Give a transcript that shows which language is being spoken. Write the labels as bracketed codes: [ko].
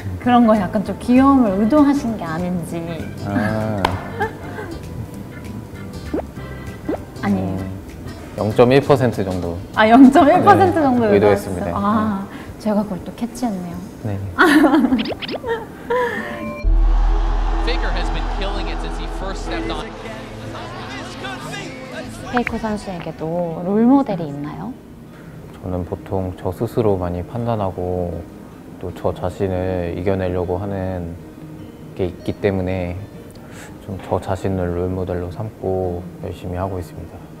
[ko] 그런 거 약간 좀 귀여움을 의도하신 게 아닌지. 아. 아니. 0.1% 정도. 아 0.1% 네, 정도 의도했습니다. 아 제가 그걸 또 캐치했네요. 네. [en] Faker has been killing it since he first stepped on. [ko] 페이커 선수에게도 롤모델이 있나요? 저는 보통 저 스스로 많이 판단하고 또 저 자신을 이겨내려고 하는 게 있기 때문에 좀 저 자신을 롤모델로 삼고 열심히 하고 있습니다.